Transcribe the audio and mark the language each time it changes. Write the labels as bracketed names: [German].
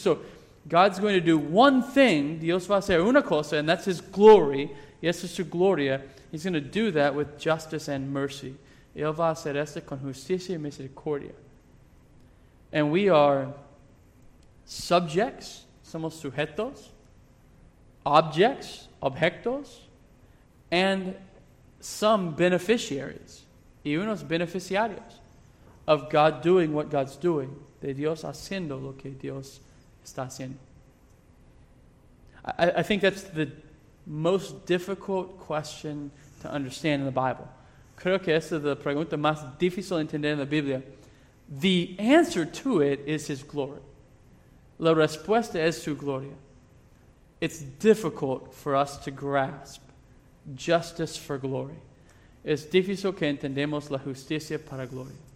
[English] So God's going to do one thing. [Spanish] Dios va a hacer una cosa, [English] and that's his glory. [Spanish] Y eso es su gloria. [English] He's going to do that with justice and mercy. [Spanish] Él va a hacer esto con justicia y misericordia. [English] And we are subjects. [Spanish] Somos sujetos [English] objects, [Spanish] objetos, [English] and some beneficiaries, [Spanish] y unos beneficiarios, [English] of God doing what God's doing, [Spanish] de Dios haciendo lo que Dios está haciendo. [English] I think that's the most difficult question to understand in the Bible. [Spanish] Creo que esa es la pregunta más difícil de entender en la Biblia. [English] The answer to it is his glory. [Spanish] La respuesta es su gloria. [English] It's difficult for us to grasp justice for glory. [Spanish] Es difícil que entendemos la justicia para gloria.